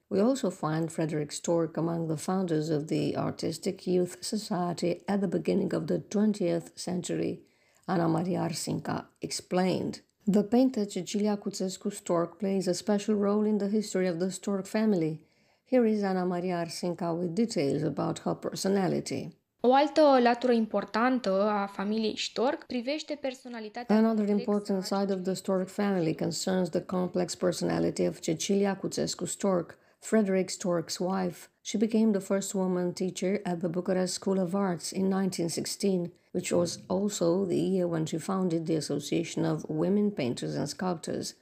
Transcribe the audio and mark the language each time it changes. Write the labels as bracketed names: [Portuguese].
[English] We also find Frederick Stork among the founders of the Artistic Youth Society at the beginning of the 20th century, Ana Maria Arsinca explained. The painter Cecilia Cuțescu Stork plays a special role in the history of the Stork family. Here is Ana Maria Arsinca with details about her personality. [Romanian] O altă latură importantă a familiei Stork privește personalitatea. [English] Another important side of the Stork family concerns the complex personality of Cecilia Cuțescu Stork, Frederick Stork's wife. She became the first woman teacher at the Bucharest School of Arts in 1916, which was also the year when she founded the Association of Women Painters and Sculptors.